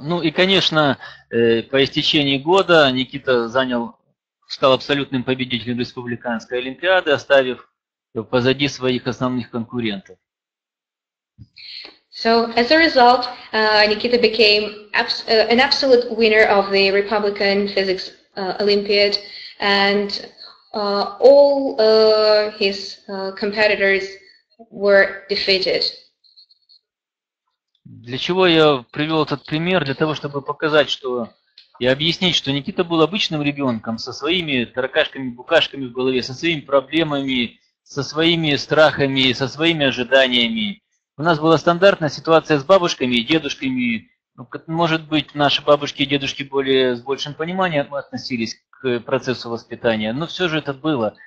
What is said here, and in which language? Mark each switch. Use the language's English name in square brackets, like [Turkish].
[Russian] Ну и, конечно, по истечении года Никита стал абсолютным победителем Республиканской Олимпиады, оставив позади своих основных конкурентов. [English] So, as a result, Nikita became an absolute winner of the Republican Physics Olympiad, and all his competitors were defeated. [Russian] Для чего я привел этот пример? Для того, чтобы показать, что и объяснить, что Никита был обычным ребенком со своими таракашками-букашками в голове, со своими проблемами, со своими страхами, со своими ожиданиями. У нас была стандартная ситуация с бабушками и дедушками. Может быть, наши бабушки и дедушки более с большим пониманием относились к процессу воспитания, но все же это было.